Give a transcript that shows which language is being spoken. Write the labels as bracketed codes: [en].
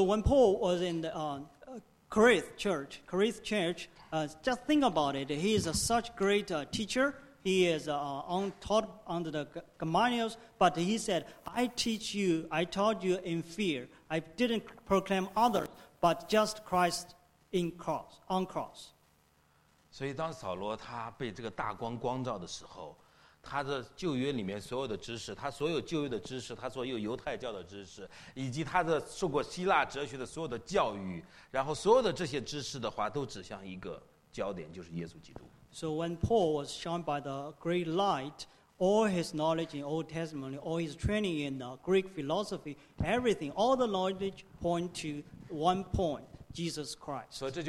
[en] when Paul was in the Corinth church, just think about it. He is such great teacher. He is taught under the Gamaliel, but he said, "I teach you. I taught you in fear. I didn't proclaim others, but just Christ in cross on cross." [zh] 所以，当扫罗他被这个大光光照的时候，他的旧约里面所有的知识，他所有旧约的知识，他所有犹太教的知识，以及他的受过希腊哲学的所有的教育，然后所有的这些知识的话，都指向一个焦点，就是耶稣基督。 [en] So when Paul was shown by the great light, all his knowledge in Old Testament, all his training in Greek philosophy, everything, all the knowledge point to one point, Jesus Christ.